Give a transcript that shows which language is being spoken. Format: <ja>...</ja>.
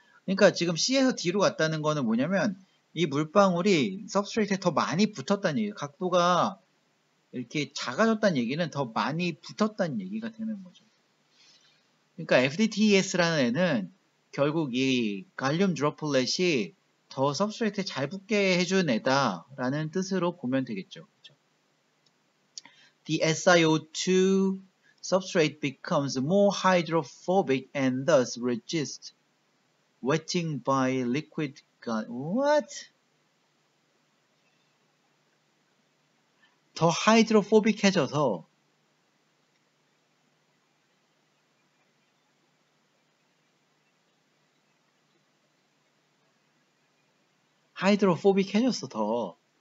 <ko>그러니까 지금 C에서 D로 갔다는 거는 뭐냐면, 이 물방울이 서브스트레이트에 더 많이 붙었다는 얘기, 각도가 이렇게 작아졌다는 얘기는 더 많이 붙었다는 얘기가 되는 거죠. 그러니까 FDTES라는 애는 결국 이 갈륨 드로플렛이 더 서브스트레이트에 잘 붙게 해준 애다라는 뜻으로 보면 되겠죠. 그쵸?</ko> <en>The SiO2 Substrate becomes more hydrophobic and thus resists wetting by liquid gun. What?</en> <ko>더 하이드로포빅해져서 더.</ko>